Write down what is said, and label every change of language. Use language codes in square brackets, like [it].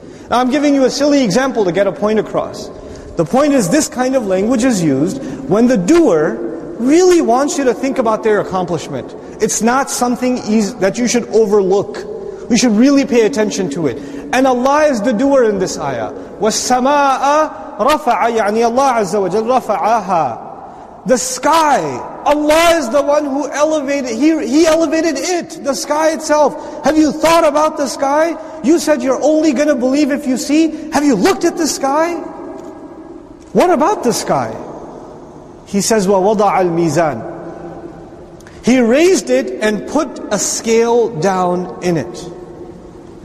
[en] Now I'm giving you a silly example to get a point across. The point is, this kind of language is used when the doer really wants you to think about their accomplishment. It's not something that you should overlook. We should really pay attention to it. And Allah is the doer in this ayah. [ar] وَالسَّمَاءَ رَفَعَ يَعْنِي Allah عَزَّ وَجَلْ رَفَعَهَا. [en] The sky, Allah is the one who elevated, He elevated it, the sky itself. Have you thought about the sky? You said you're only going to believe if you see. Have you looked at the sky? What about the sky? He says, [ar] وَوَضَعَ الْمِيزَانِ. [en] He raised it and put a scale down in it.